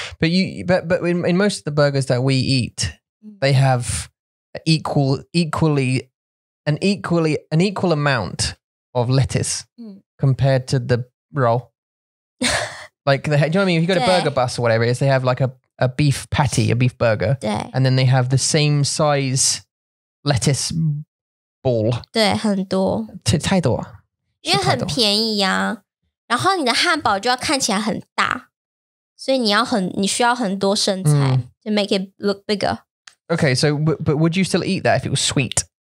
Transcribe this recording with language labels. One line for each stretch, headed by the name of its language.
English: But in most of the burgers that we eat, they have an equal amount of lettuce、 mm. compared to the roll. like, the, do you know what I mean? If you go to Burger Bus or whatever it is, they have like a beef patty, a beef burger, and then they have the same size lettuce ball.
Chinese: 对，很多。太多。因为很便宜啊，然后你的汉堡就要看起来很大，所以你需要很多生菜、mm.
English: to make it look bigger. Okay, so, but would you still eat that if it was sweet?